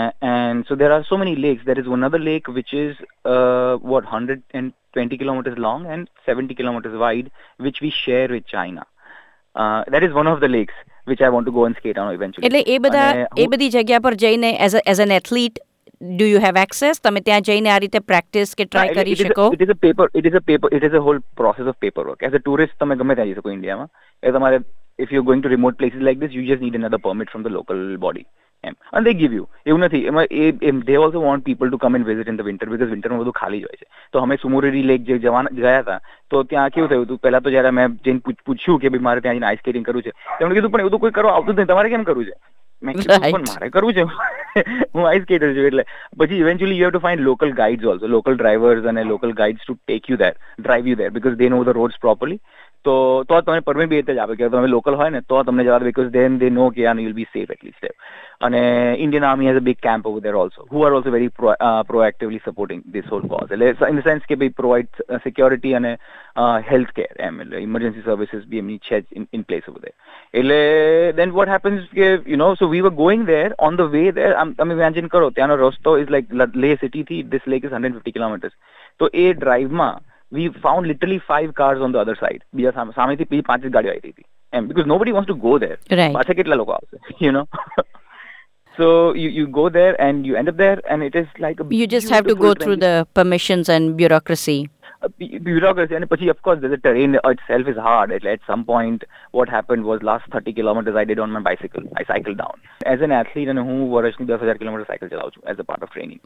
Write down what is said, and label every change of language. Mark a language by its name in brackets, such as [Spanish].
[English] And so there are so many lakes. There is one other lake which is what 120 kilometres long and 70 kilometres wide which we share with China. That is one of the lakes which I want to go and skate on eventually. [Gujarati] એટલે એ બધી જગ્યા પર જઈને [English] As an athlete do you have access? [Gujarati] તમે ત્યાં જઈને આ રીતે પ્રેક્ટિસ કે ટ્રાય કરી શકો? [English] It is a whole process of paperwork. As a tourist, [Gujarati] તમે ગમે ત્યાં જઈ શકો ઇન્ડિયામાં. એટલે તમારે, [English] if you're going to remote places like this, you just need another permit from the local body. And they give you. [Gujarati] એવું નથી, [English] they also want people to come and visit in the winter because [Gujarati] વિન્ટરમાં બધું ખાલી જ હોય છે. તો અમે સુમુરેરી lake જે ગયા હતા, તો ત્યાં કેવું થયું હતું, પહેલાં તો જ્યારે મેં જઈને પૂછ્યું કે ભાઈ મારે ત્યાં જઈને આઈસ સ્કેટિંગ કરવું છે, તેમણે કીધું પણ એવું તો કોઈ કરવા આવતું જ નહીં, તમારે કેમ કરવું છે? મારે કરવું છે, હું આઈસ સ્કેટર છું. એટલે પછી [English] Eventually you have to find local guides also, local drivers અને local guides to take you there, drive you there because they know the roads properly. [Gujarati] તો તમને પરમિટ બી એ જ આપે કે તમે લોકલ હોય ને તો તમને જવા દે, [English] Because then they know કે you will be safe at least. અને Indian army has a big camp over there also, who are also very proactively supporting this whole cause. [Gujarati] એટલે [English] in the sense [Gujarati] કે ભાઈ પ્રોવાઈડ સિક્યોરિટી અને હેલ્થ કેર, એમ એટલે emergency services બી એમની છે જ [English] In place over there. એટલે then what happens કે you know, so we were going there, on the way there [Gujarati] તમે ઇમેજિન કરો, ત્યાંનો રસ્તો [English] Is like Leh સિટીથી this lake is 150 kilometres. [Gujarati] તો એ ડ્રાઈવમાં [English] we found literally 5 cars on the other side, [Gujarati] બીજા સામેથી બીજી 5 ગાડીઓ આવી રહી હતી એમ, [English] because nobody wants to go there, [Gujarati] પાછે કેટલા લોકો આવશે, [English] You know. So you go there and you end up there, and it is like a, you just have to go through the permissions and bureaucracy. Bureaucracy, and of course the terrain itself is hard. At some point what happened was last 30 kilometers I did on my bicycle, I cycled down. As an athlete and who was 10,000 kilometers cycle [Gujarati] chalau chu [English] as a part of training.